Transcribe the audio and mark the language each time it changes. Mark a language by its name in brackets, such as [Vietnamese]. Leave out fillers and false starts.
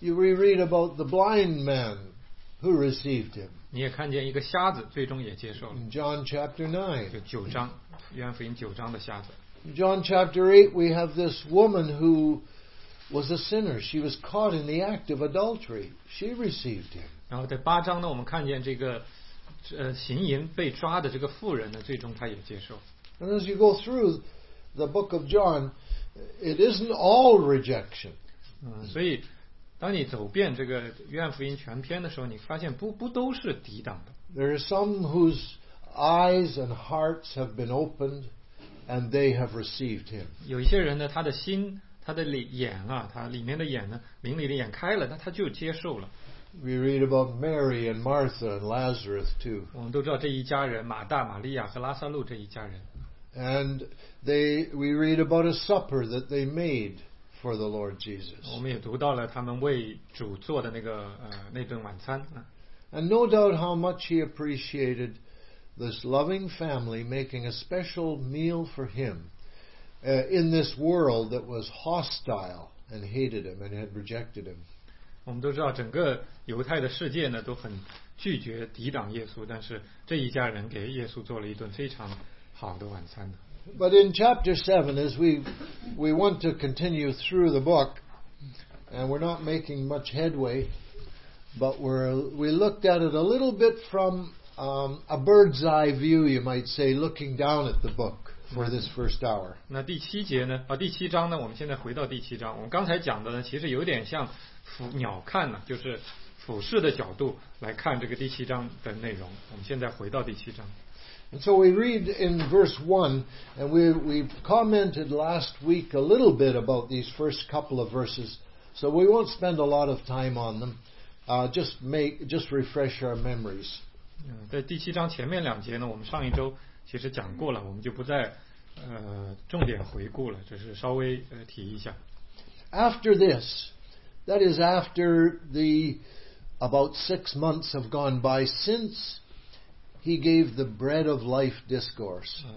[English] We read about the blind man who received him. [Chinese] 你也看见一个瞎子，最终也接受了。 [English] John chapter 9. [Chinese] 就九章，约翰福音九章的瞎子。 [English] John chapter 8, we have this woman who was a sinner. She was caught in the act of adultery. She received him. [Chinese] 然后在八章呢，我们看见这个。行淫被抓的这个妇人呢，最终他也接受。 [English] And as you go through the book of John, it isn't all rejection. [Chinese] 所以当你走遍这个约翰福音全篇的时候，你发现不都是抵挡的。 [English] There are some whose eyes and hearts have been opened, and they have received him. [Chinese] 有一些人呢，他的心、他的眼啊，他里面的眼呢，灵里的眼开了，那他就接受了。 [English] We read about Mary and Martha and Lazarus too. [Chinese] 我们都知道这一家人，马大、玛利亚和拉撒路这一家人。 [English] And we read about a supper that they made for the Lord Jesus. [Chinese] 我们也读到了他们为主做的那顿晚餐。 [English] And no doubt how much he appreciated this loving family making a special meal for him in this world that was hostile and hated him and had rejected him. [Chinese] 我们都知道整个犹太的世界呢都很拒绝抵挡耶稣但是这一家人给耶稣做了一顿非常好的晚餐 [English] But in chapter 7 as we want to continue through the book and we're not making much headway but we looked at it a little bit from a bird's eye view you might say looking down at the book for this first hour [Chinese] 那第七节呢第七章呢我们现在回到第七章我们刚才讲的呢其实有点像鸟看呢，就是俯视的角度来看这个第七章的内容。我们现在回到第七章。 [English] And so we read in verse 1, and we commented last week a little bit about these first couple of verses, so we won't spend a lot of time on them. Just refresh our memories. [Chinese] 在第七章前面两节呢，我们上一周其实讲过了，我们就不再重点回顾了，只是稍微提一下。 [English] After this, that is after the about 6 months have gone by since he gave the bread of life discourse.